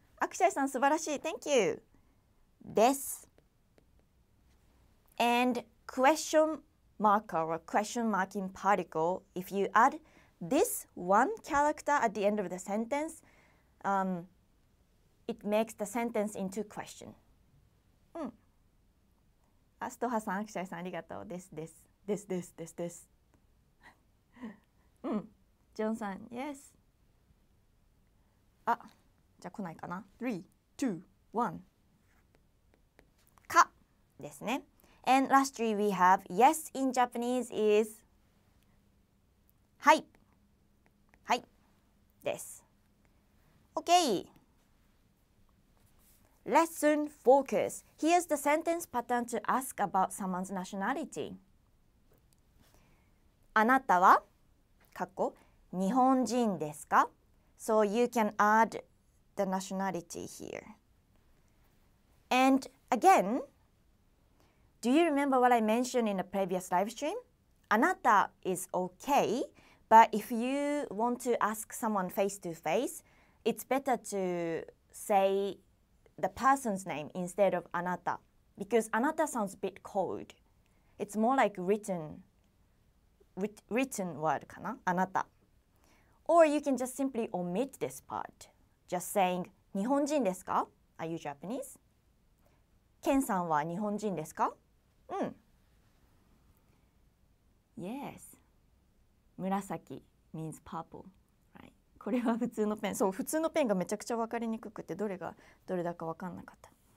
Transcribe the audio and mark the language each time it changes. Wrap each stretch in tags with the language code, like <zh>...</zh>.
<en>Akushai-san,</en> <ja>素晴らしい</ja> <en>Thank you! です And question marker or question marking particle, if you add this one character at the end of the sentenceit makes the sentence into question.</en> <ja>アストハさん、アクシャイさん、ありがとう。です、です、です、です、です、です。ジョンさん、Yes。あ、じゃあ来ないかな。3、2、1。 かですね。</ja> <en>And lastly we have yes in Japanese is はい。</en> <ja>はい。です。Okay.</ja> <en>Lesson focus. Here's the sentence pattern to ask about someone's nationality.</en> <ja>あなたは括弧日本人ですか?</ja> <en>So you can add the nationality here. And again, do you remember what I mentioned in the previous live stream? あなた is okay, but if you want to ask someone face to face, it's better to say the person's name instead of あなた, because あなた sounds a bit cold. It's more like written word かな?あなた. Or you can just simply omit this part. Just saying,</en> <ja>日本人ですか?</ja> <en>Are you Japanese?</en> <ja>ケンさんは日本人ですか? うん。</ja> <en>Yes. 紫 means purple.</en> <ja>これは普通のペン。そう、普通のペンがめちゃくちゃ分かりにくくて、どれがどれだか分かんなかった。</ja>